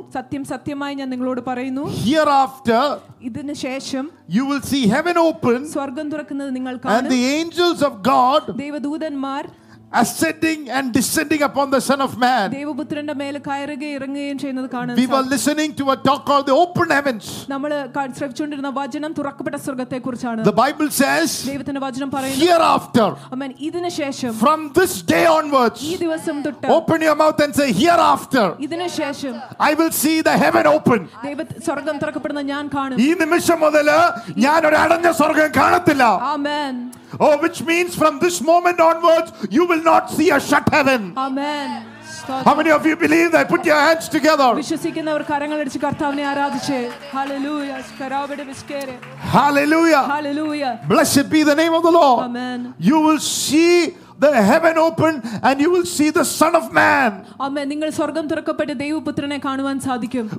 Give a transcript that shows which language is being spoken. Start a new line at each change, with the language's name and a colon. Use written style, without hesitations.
Malayalam: സത്യം സത്യമായി ഞാൻ നിങ്ങളോട് പറയുന്നു,
English: Hereafter,
Malayalam: ഇതിനു ശേഷം,
English: You will see heaven open,
Malayalam: സ്വർഗ്ഗം തുറക്കുന്നത് നിങ്ങൾ കാണും,
English: And the angels of God,
Malayalam: ദൈവദൂതന്മാർ,
English: Ascending and descending upon the Son of Man.
Malayalam: ദൈവപുത്രന്റെ മേൽ കയറുകയും ഇറങ്ങുകയും ചെയ്യുന്നത് കാണാം.
English: We were listening to a talk called the open heavens.
Malayalam: നമ്മൾ ശ്രവിച്ചുകൊണ്ടിരുന്ന വചനം തുറക്കപ്പെട്ട സ്വർഗ്ഗത്തെക്കുറിച്ചാണ്.
English: The Bible says.
Malayalam: ദൈവത്തിന്റെ വചനം പറയുന്നു.
English: Hereafter.
Malayalam: Amen. ഇതിനു ശേഷം.
English: From this day onwards.
Malayalam: ഈ ദിവസം തൊട്ട്.
English: Open your mouth and say hereafter.
Malayalam: ഇതിനു ശേഷം.
English: I will see the heaven open.
Malayalam: ദൈവത്തിന്റെ സ്വർഗ്ഗം തുറക്കപ്പെടുന്ന ഞാൻ കാണും. ഈ നിമിഷം മുതൽ ഞാൻ ഒരു അടഞ്ഞ സ്വർഗ്ഗം കാണത്തില്ല.
English: Amen. Oh, which means from this moment onwards, you will not see a shut heaven. Amen. How many of you believe that? Put your hands together.
Malayalam: വിശ്വസിക്കുന്നവർ കരങ്ങൾ അടിച്ച് കർത്താവിനെ ആരാധിച്ചേ. Hallelujah. കരാവിടെ വിസ്കേരെ.
English: Hallelujah. Hallelujah. Blessed be the name of the Lord. Amen. You will see the heaven open and you will see the Son of Man. Amen.
Malayalam: നിങ്ങൾ സ്വർഗ്ഗം തുറക്കപ്പെട്ട ദൈവപുത്രനെ കാണുവാൻ സാധിക്കും.